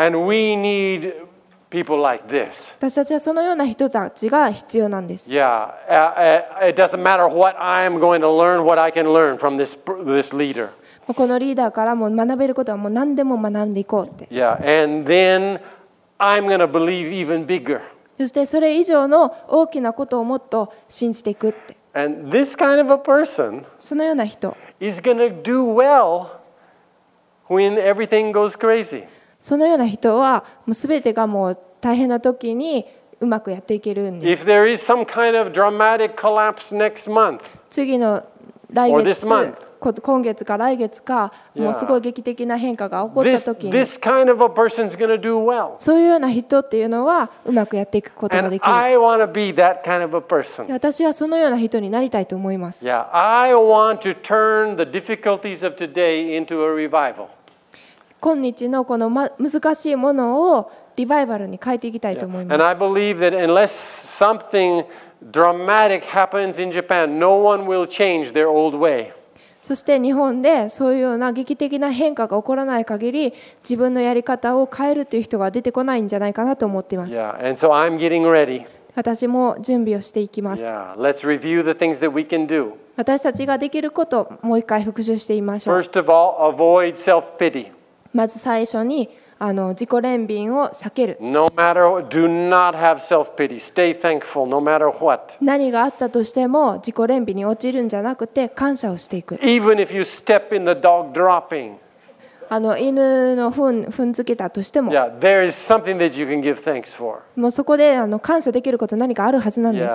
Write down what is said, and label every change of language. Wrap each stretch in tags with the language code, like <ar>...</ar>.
<en>And we need people like this.</en> <ja>私たちはそのような人たちが必要なんです。</ja> <en>Yeah, it doesn't matter what I am going to learn, what I can learn from this leader.</en> <ja>このリーダーからも学べることはもう何でも学んでいこうって。</ja> <en>Yeah, and then I'm going to believe even bigger.</en> <ja>そしてそれ以上の大きなことをもっと信じていくって。</ja> <en>And this kind of a person</en> <ja>そのような人</ja> <en>is going to do well when everything goes crazy.</en> <ja>そのような人はもう全てがもう大変な時にうまくやっていけるんです。</ja> <en>If there is some kind of dramatic collapse next month,</en> <ja>次の来月</ja> <en>or this month,</en> <ja>今月か来月か、yeah. もうすごい劇的な変化が起こった時に</ja> <en>this kind of a person's gonna do well.</en> <ja>そういうような人っていうのはうまくやっていくことができる。</ja> <en>And I wanna be that kind of a person.</en> <ja>私はそのような人になりたいと思います。</ja> <en>Yeah. I want to turn the difficulties of today into a revival.</en> <ja>今日のこの難しいものをリバイバルに変えていきたいと思います。</ja> <en>And I believe that unless something dramatic happens in Japan, no one will change their old way.</en> <ja>そして日本でそういうような劇的な変化が起こらない限り、自分のやり方を変えるという人が出てこないんじゃないかなと思っています。</ja> <en>Yeah, and so I'm getting ready.</en> <ja>私も準備をしていきます。</ja> <en>Yeah, let's review the things that we can do.</en> <ja>私たちができることをもう一回復習してみましょう。</ja> <en>First of all, avoid self-pity.</en> <ja>まず最初に自己憐憫を避ける。</ja> <en>No matter, do not have self-pity. Stay thankful, no matter what.</en> <ja>何があったとしても自己憐憫に陥るんじゃなくて感謝をしていく。</ja> <en>Even if you step in the dog dropping.</en> <ja>犬の糞付けたとしても、</ja> <en>yeah, there is something that you can give thanks for.</en> <ja>もうそこで感謝できること何かあるはずなんです。</ja>